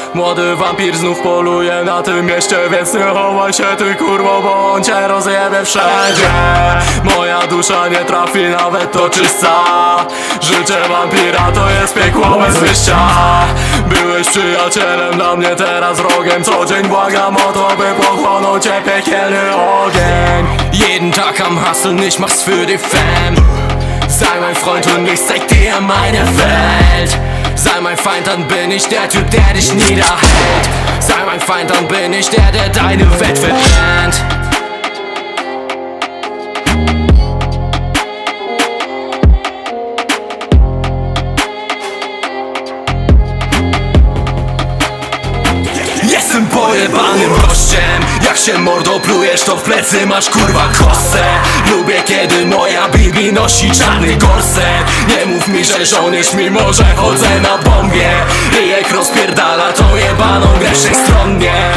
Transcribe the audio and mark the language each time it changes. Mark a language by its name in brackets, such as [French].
[Polish] Młody wampir znów poluje na tym mieście, więc nie chowaj się ty kurwo, bądź. Ja rozjebę wszędzie. Moja dusza nie trafi nawet do czysta. Życie wampira to jest piekło bez wyjścia. Byłeś przyjacielem dla mnie, teraz wrogiem. Co dzień błagam o to, by pochłonął cię piekielny ogień. [German] Jeden Tag am Hustlen, ich mach's für die Fam. Sei mein Freund und ich zeig dir meine Welt. Sei mein Feind, dann bin ich der Typ, der dich niederhält. Sei mein Feind, dann bin ich der, der deine Welt verbrennt. [Polish] Jestem pojebanym gościem. Jak się mordo plujesz, to w plecy masz kurwa kosę. Lubię kiedy moja bibi nosi czarny gorset. Nie mów mi, że żołnierz, mimo że chodzę na bombie. Ryjek rozpierdala tą jebaną grę wszechstronnie.